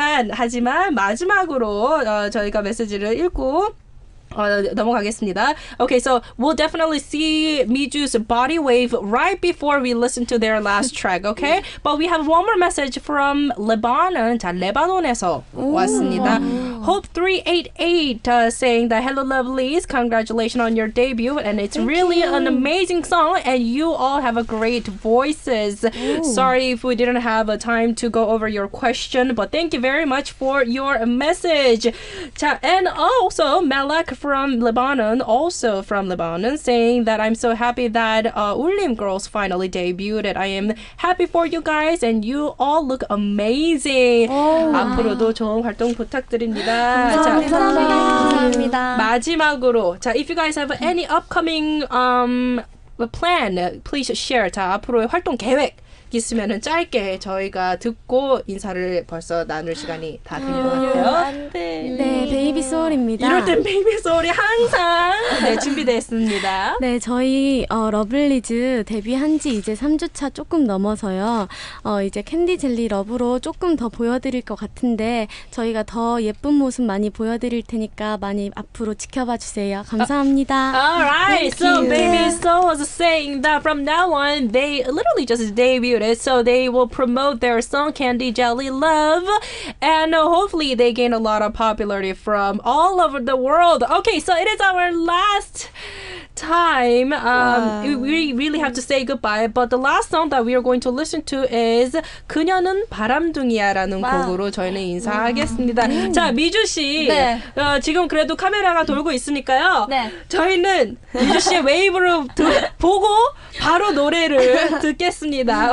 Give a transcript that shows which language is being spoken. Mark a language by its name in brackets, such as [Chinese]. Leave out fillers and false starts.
[Korean] 하지만 마지막으로 저희가 메시지를 읽고 넘어가겠습니다. [English] Okay, so we'll definitely see Miju's body wave right before we listen to their last track, okay? But we have one more message from Lebanon. [Korean] 자, 레바논에서 왔습니다. [English] Hope388 saying that, Hello lovelies, congratulations on your debut, and it's an amazing song, and you all have a great voices. Ooh. Sorry if we didn't have a time to go over your question, but thank you very much for your message. 자, and also, Malak from Lebanon, also from Lebanon, saying that I'm so happy that Ulim Girls finally debuted. I am happy for you guys, and you all look amazing. [Korean] Oh, 앞으로도 좋은 활동 부탁드립니다. 감사합니다. 마지막으로, 자, [English] if you guys have any upcoming plan, please share. [Korean] 자, 앞으로의 활동 계획. 있으면은 짧게 저희가 듣고 인사를 벌써 나눌 시간이 다 된 것 같아요. 안돼. 네, 베이비 소울입니다. 이럴 땐 베이비 소울이 항상 네, 준비됐습니다. 네, 저희 러블리즈 데뷔한지 이제 3주차 조금 넘어서요. 이제 캔디 젤리 러브로 조금 더 보여드릴 것 같은데 저희가 더 예쁜 모습 많이 보여드릴 테니까 많이 앞으로 지켜봐 주세요. 감사합니다. [English] Alright, so Baby Soul was saying that from now on they literally just debuted artist, so they will promote their song Candy Jelly Love, and hopefully they gain a lot of popularity from all over the world. Okay, so it is our last time. Wow. We really have to say goodbye, but the last song that we are going to listen to is 그녀는 바람둥이야라는 wow. [Korean] 곡으로 저희는 인사하겠습니다. 자, 미주 씨. 네. 지금 그래도 카메라가 돌고 있으니까요. 네. 저희는 미주 씨의 웨이브를 보고 바로 노래를 듣겠습니다.